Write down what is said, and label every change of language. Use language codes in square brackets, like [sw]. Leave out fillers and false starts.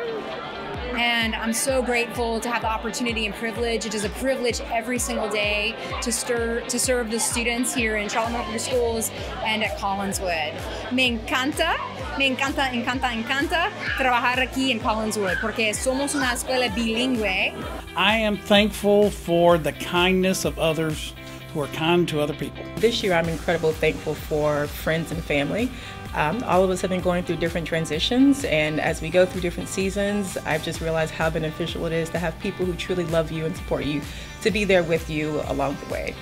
[en] And I'm so grateful to have the opportunity and privilege. It is a privilege every single day to serve the students here in Charlotte-Mecklenburg Schools and at Collinswood. [es] Me encanta, encanta, encanta trabajar aquí en Collinswood porque somos una escuela bilingüe. [en] I am thankful for the kindness of others who are kind to other people. This year I'm incredibly thankful for friends and family. All of us have been going through different transitions, and as we go through different seasons, I've just realized how beneficial it is to have people who truly love you and support you, to be there with you along the way.